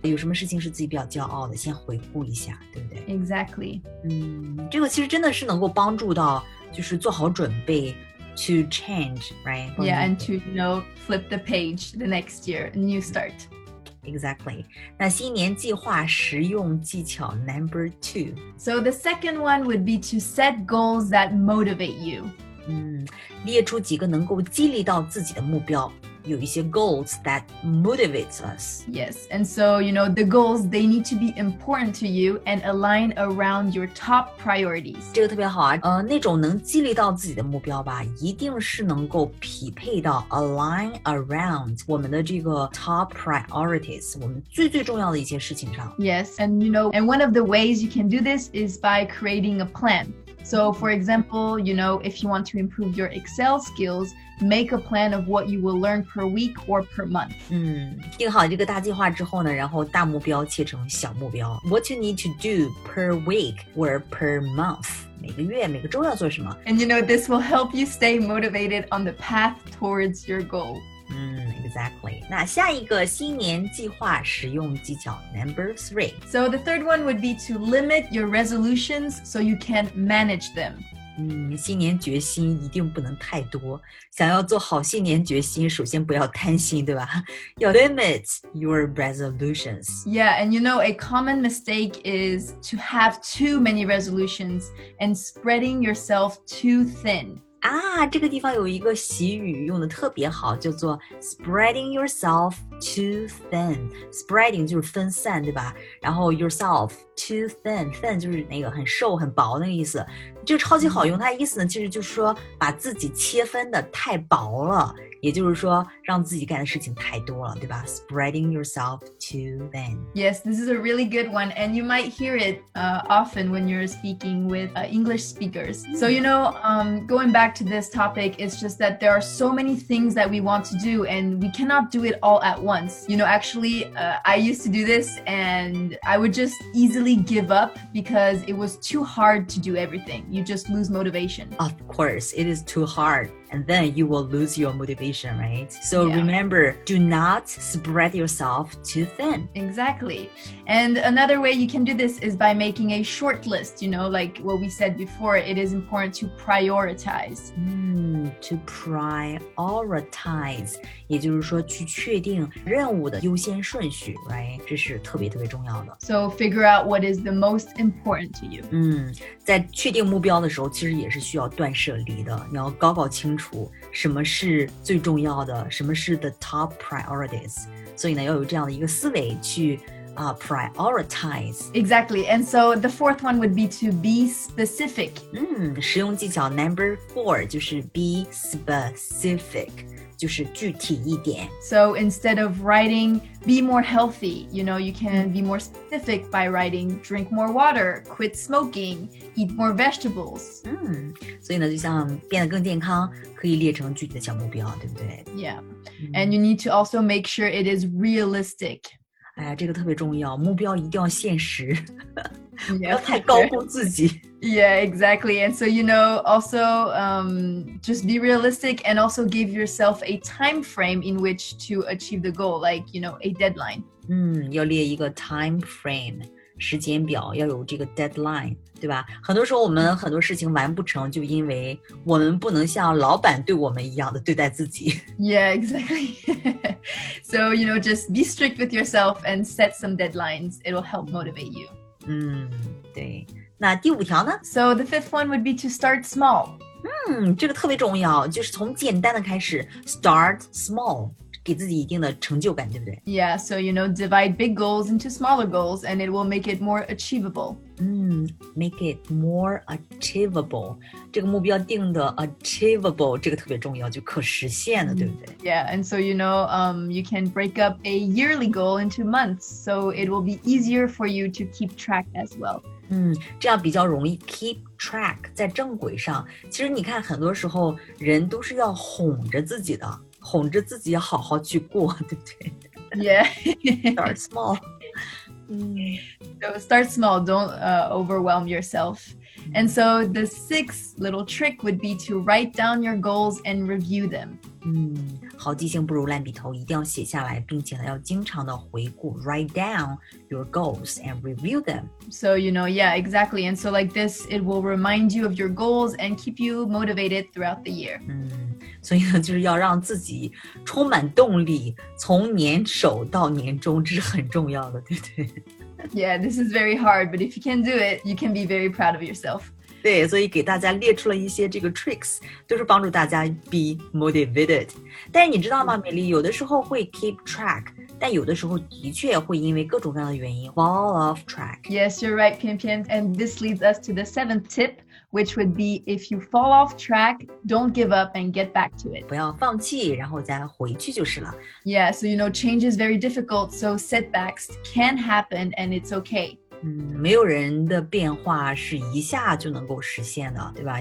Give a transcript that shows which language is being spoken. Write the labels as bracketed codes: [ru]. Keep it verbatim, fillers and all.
[zh] 有什么事情是自己比较骄傲的？先回顾一下，对不对 [en] ？Exactly. [zh] 嗯，这个其实真的是能够帮助到，就是做好准备。 [en] To change, right? Yeah, and to, you know, flip the page the next year, new start. Exactly. [zh] 那新年计划实用技巧 [en] number two. So the second one would be to set goals that motivate you. [zh] 嗯，列出几个能够激励到自己的目标有一些 [en] goals that motivates us. Yes, and so, you know, the goals, they need to be important to you and align around your top priorities. [zh] 这个特别好啊，呃，那种能激励到自己的目标吧，一定是能够匹配到 [en] align around [zh] 我们的这个 [en] top priorities， [zh] 我们最最重要的一些事情上。 [en] Yes, and you know, and one of the ways you can do this is by creating a plan. So for example, you know, if you want to improve your Excel skills, make a plan of what you will learn per week or per month. [zh] 嗯，定好这个大计划之后呢，然后大目标切成小目标。 [en] What you need to do per week or per month. [zh] 每个月每个周要做什么。 [en] And you know, this will help you stay motivated on the path towards your goal. [zh] 嗯 [en] exactly. [zh] 那下一个新年计划实用技巧 [en] number three. So the third one would be to limit your resolutions so you can manage them. [zh] 嗯，新年决心一定不能太多。想要做好新年决心，首先不要贪心，对吧？要 [en] limit your resolutions. Yeah, and you know, a common mistake is to have too many resolutions and spreading yourself too thin. [zh] 啊，这个地方有一个习语用的特别好，叫做 [en] spreading yourself too thin。 spreading [zh] 就是分散，对吧？然后 [en] yourself too thin， thin [zh] 就是那个很瘦很薄那个意思。这个超级好用，它的意思呢，其实就是说把自己切分的太薄了，也就是说让自己干的事情太多了，对吧？ [en] spreading yourself too thin. Yes, this is a really good one, and you might hear it、uh, often when you're speaking with、uh, English speakers. So you know,、um, going back. To this topic, it's just that there are so many things that we want to do and we cannot do it all at once. You know, actually, uh, I used to do this and I would just easily give up because it was too hard to do everything. You just lose motivation. Of course, it is too hard. And then you will lose your motivation, right? So yeah. Remember, do not spread yourself too thin. Exactly. And another way you can do this is by making a short list. You know, like what we said before, it is important to prioritize. Mm, to prioritize. [zh] 也就是说去确定任务的优先顺序 [en] right? [zh] 这是特别特别重要的。 [en] So figure out what is the most important to you. [zh] 嗯，在确定目标的时候，其实也是需要断舍离的。你要搞搞清楚。什么是最重要的，什么是 [en] the top priorities， [zh] 所以呢要有这样的一个思维去、uh, [en] prioritize. Exactly, and so the fourth one would be to be specific. [zh] 嗯，实用技巧 [en] number four [zh] 就是 [en] be specific， [zh] 就是具体一点。 [en] So instead of writing be more healthy, you know, you can be more specific by writing drink more water, quit smoking, eat more vegetables. [zh] 嗯，所以呢就像变得更健康可以列成具体的小目标，对不对？ [en] Yeah, and you need to also make sure it is realistic. [zh] 哎呀，这个特别重要，目标一定要现实。不要太高估自己。 [en] Yeah, exactly. And so, you know, also um, just be realistic and also give yourself a time frame in which to achieve the goal, like, you know, a deadline. [zh] 嗯，要列一个 [en] time frame, [zh] 时间表，要有这个 [en] deadline, [zh] 对吧？很多时候我们很多事情完不成，就因为我们不能像老板对我们一样的对待自己。 [en] Yeah, exactly. So, you know, just be strict with yourself and set some deadlines. It will help motivate you. [zh] 嗯，对。那第五条呢？ [en] So the fifth one would be to start small. [zh] 嗯，这个特别重要，就是从简单的开始 ， [en] start small， [zh] 给自己一定的成就感，对不对？ [en] Yeah, so you know, divide big goals into smaller goals, and it will make it more achievable. 嗯 ，make it more achievable. [zh] 这个目标定的 [en] achievable， [zh] 这个特别重要，就可实现的，对不对？ [en] Yeah, and so you know, um, you can break up a yearly goal into months, so it will be easier for you to keep track as well. [zh] 嗯，这样比较容易 [en] keep track [zh] 在正轨上。其实你看，很多时候人都是要哄着自己的，哄着自己好好去过，对不对？ [en] Yeah. Start small. So start small, don't、uh, overwhelm yourself. And so the sixth little trick would be to write down your goals and review them. [zh] 嗯，好记性不如烂笔头，一定要写下来，并且呢要经常的回顾 [en] write down your goals and review them. So, you know, yeah, exactly. And so like this, it will remind you of your goals and keep you motivated throughout the year. [zh] 嗯，所以呢就是要让自己充满动力，从年首到年终，这是很重要的，对不对？ [en] Yeah, this is very hard, but if you can do it, you can be very proud of yourself. [zh] 对，所以给大家列出了一些这个 [en] tricks， [zh] 就是帮助大家 [en] be motivated。 [zh] 但是你知道吗，美丽，有的时候会 [en] keep track， [zh] 但有的时候的确会因为各种各样的原因 [en] fall off track。 Yes, you're right, Pian Pian. And this leads us to the seventh tip, which would be if you fall off track, don't give up and get back to it. [zh] 不要放弃，然后再回去就是了。 [en] Yeah, so you know, change is very difficult, so setbacks can happen and it's okay. [zh] 嗯，没有人的变化是一下就能够实现的，对吧？